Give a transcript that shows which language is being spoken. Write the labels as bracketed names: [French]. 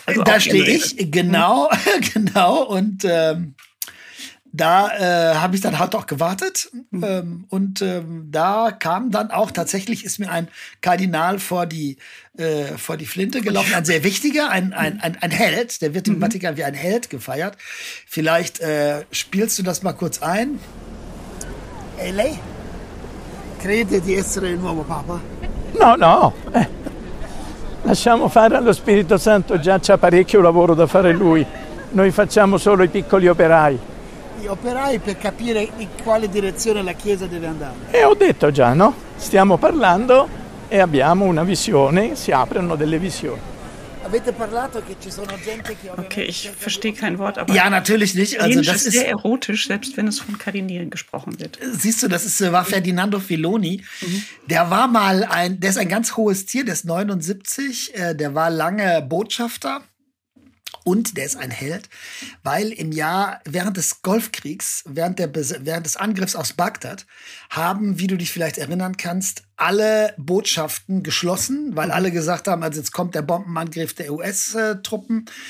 [German] Also da stehe ich, genau, genau. Und da habe ich dann halt auch gewartet. Und da kam dann auch, tatsächlich ist mir ein Kardinal vor die Flinte gelaufen, ein sehr wichtiger, ein Held. Der wird im Vatikan wie ein Held gefeiert. Vielleicht spielst du das mal kurz ein. [Italian] Hey, lei, crede di essere il nuovo Papa? No, no. Lasciamo fare allo Spirito Santo, già c'ha parecchio lavoro da fare lui. Noi facciamo solo i piccoli operai. I operai per capire in quale direzione la Chiesa deve andare. E ho detto già, no? Stiamo parlando e abbiamo una visione, si aprono delle visioni. Avete parlato che ci sono gente che... [German] Okay, ich verstehe kein Wort, aber... Ja, natürlich nicht. Also, das ist sehr erotisch, selbst wenn es von Kardinälen gesprochen wird. Siehst du, das war Ferdinando Filoni. Der war mal der ist ein ganz hohes Tier, der ist 79, der war lange Botschafter und der ist ein Held, weil im Jahr während des Golfkriegs, während des Angriffs aus Bagdad, haben, wie du dich vielleicht erinnern kannst, alle Botschaften geschlossen, weil alle gesagt haben, also jetzt kommt der Bombenangriff der US-Truppen.